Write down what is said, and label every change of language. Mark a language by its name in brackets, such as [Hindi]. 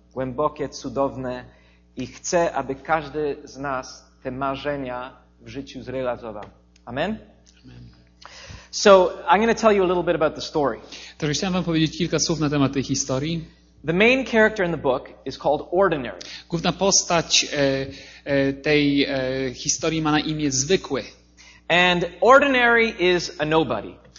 [Polish] Głębokie, cudowne. I chce, aby każdy z nas te marzenia w życiu zrealizował. [English] Amen? Amen. So, I'm going to tell you a little bit about the story. [Polish] Także chciałem wam powiedzieć kilka słów na temat tej historii. [English] The main character in the book is called Ordinary. [Polish] Główna postać tej historii ma na imię Zwykły. [English] And Ordinary is a nobody.